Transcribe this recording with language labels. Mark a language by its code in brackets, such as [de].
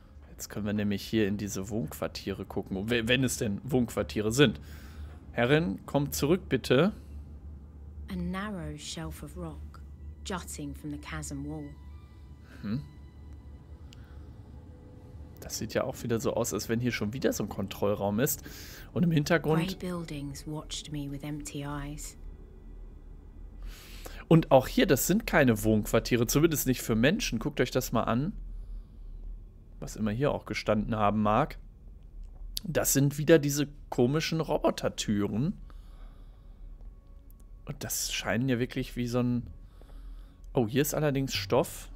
[de] Jetzt können wir nämlich hier in diese Wohnquartiere gucken, wenn es denn Wohnquartiere sind. Herrin, kommt zurück bitte. [en] A narrow shelf of rock, jutting from the chasm wall. [de] Das sieht ja auch wieder so aus, als wenn hier schon wieder so ein Kontrollraum ist. Und im Hintergrund. [en] Gray buildings watched me with empty eyes. [de] Und auch hier, das sind keine Wohnquartiere, zumindest nicht für Menschen. Guckt euch das mal an. Was immer hier auch gestanden haben mag. Das sind wieder diese komischen Robotertüren. Und das scheinen ja wirklich wie so ein. Oh, hier ist allerdings Stoff.